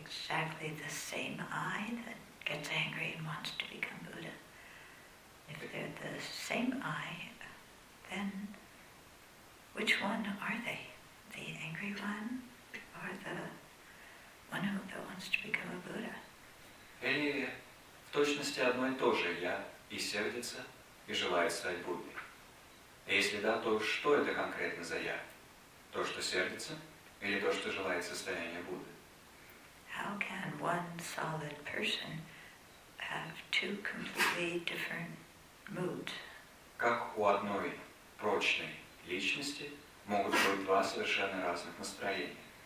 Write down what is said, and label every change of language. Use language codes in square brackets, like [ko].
[en] Exactly the same I that gets angry and wants to become Buddha. If they're the same I, then which one are they? The angry one or the one who that wants to become a Buddha? [ru] Или в точности одно и то же я и сердится, и желает стать Буддой. А если да, то что это конкретно за я? То, что сердится, или то, что желает состояние Будды? [en] How can one solid person have two completely different moods? [ru] Как у одной прочной личности могут быть два совершенно разных настроения?